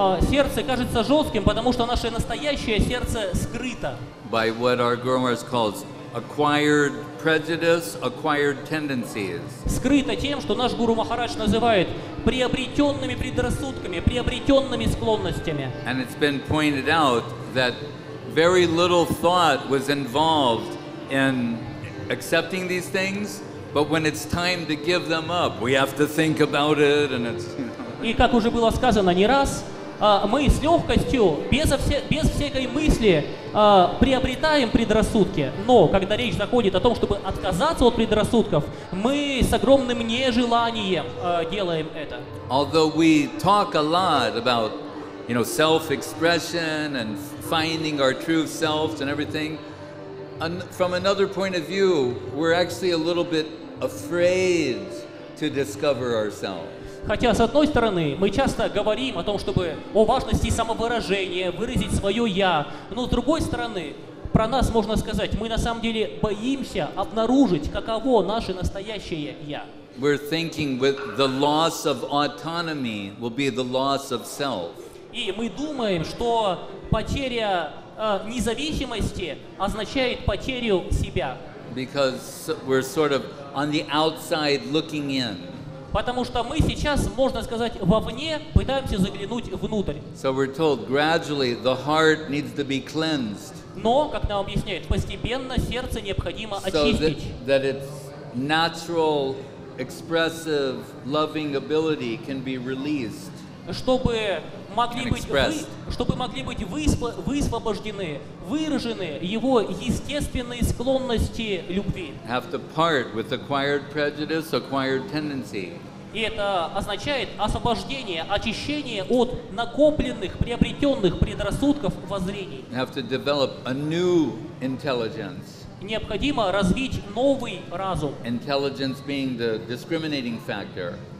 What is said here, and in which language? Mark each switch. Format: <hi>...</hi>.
<ru>Сердце кажется жестким, потому что наше настоящее сердце скрыто.</ru> <en>By what our Gurumars calls acquired prejudice, acquired tendencies.</en> <ru>Скрыто тем, что наш Гуру Махарадж называет приобретенными предрассудками, приобретенными склонностями.</ru> <en>And it's been pointed out that very little thought was involved in accepting these things, but when it's time to give them up, we have to think about it, and it's, you know.</en> <ru>И как уже было сказано не раз, мы с легкостью, без всякой мысли, приобретаем предрассудки. Но когда речь заходит о том, чтобы отказаться от предрассудков, мы с огромным нежеланием делаем это.</ru> <en>Although we talk a lot about, you know, self-expression and finding our true selves and everything, from another point of view, we're actually a little bit afraid to discover ourselves.</en> <ru>Хотя, с одной стороны, мы часто говорим о том, чтобы о важности самовыражения, выразить свое «я», но с другой стороны, про нас можно сказать, мы на самом деле боимся обнаружить, каково наше настоящее «я».</ru> <en>We're thinking with the loss of autonomy will be the loss of self.</en> <ru>И мы думаем, что потеря независимости означает потерю себя.</ru> <en>Because we're sort of on the outside looking in.</en> <ru>Потому что мы сейчас, можно сказать, вовне пытаемся заглянуть внутрь.</ru> <en>So we're told gradually the heart needs to be cleansed.</en> <ru>Но, как нам объясняют, постепенно сердце необходимо</ru> <en>so</en> <ru>очистить.</ru> <en>That, that its natural, expressive, loving ability can be released.</en> <ru>Чтобы могли быть высвобождены, выражены его естественные склонности любви.</ru> <en>Have to part with acquired prejudice, acquired tendency.</en> <ru>И это означает освобождение, очищение от накопленных, приобретенных предрассудков, воззрений.</ru> <en>Have to develop a new intelligence.</en> <ru>Необходимо развить новый разум.</ru> <en>Intelligence being the discriminating factor.</en>